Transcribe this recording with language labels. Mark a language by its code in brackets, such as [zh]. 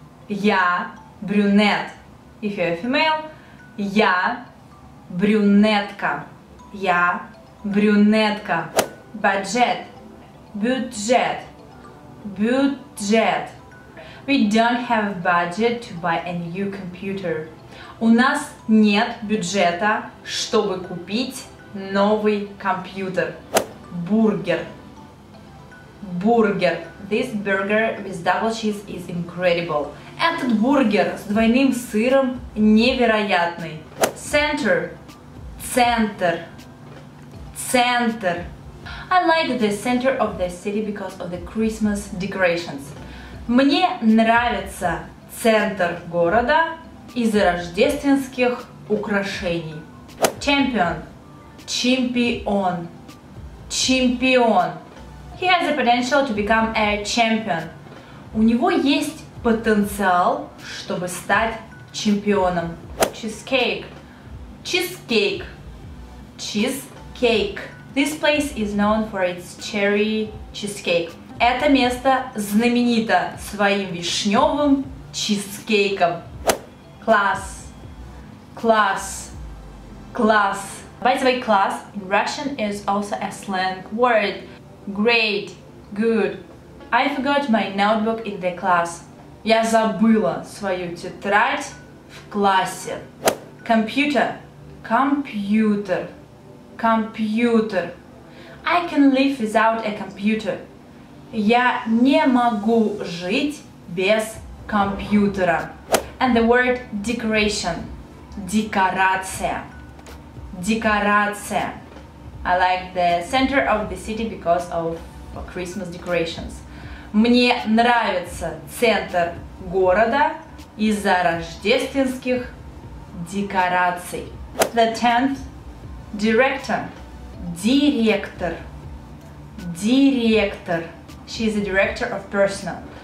[ru] Я брюнет. [en] If you're a female, [ru] я брюнетка. Я брюнетка. Бюджет. Бюджет. Бюджет. [en] We don't have budget to buy a new computer. [ru] У нас нет бюджета, чтобы купить новый компьютер. [en] Бургер. Бургер. This burger with double cheese is incredible. [ru] Этот бургер с двойным сыром невероятный. Центр. Центр. Центр. [en] I like the center of the city because of the Christmas decorations. [ru] Мне нравится центр города из-за рождественских украшений. Чемпион. Чемпион. Чемпион. [en] He has the potential to become a champion. [ru] У него есть потенциал, чтобы стать чемпионом. [en] Cheesecake. Cheesecake. Cheesecake. This place is known for its cherry cheesecake. [ru] Это место знаменито своим вишнёвым чизкейком. Класс. Класс. Класс. [en] By the way, класс in Russian is also a slang word. Great. Good. I forgot my notebook in the class. [ru] Я забыла свою тетрадь в классе. Компьютер. Компьютер. Компьютер. [en] I can live without a computer. [ru] Я не могу жить без компьютера. [en] And the word decoration. Декорация. Декорация. I like the center of the city because of Christmas decorations. [ru] Мне нравится центр города из-за рождественских декораций. [en] The 10th. Director. Директор. Директор. She is the director of personnel.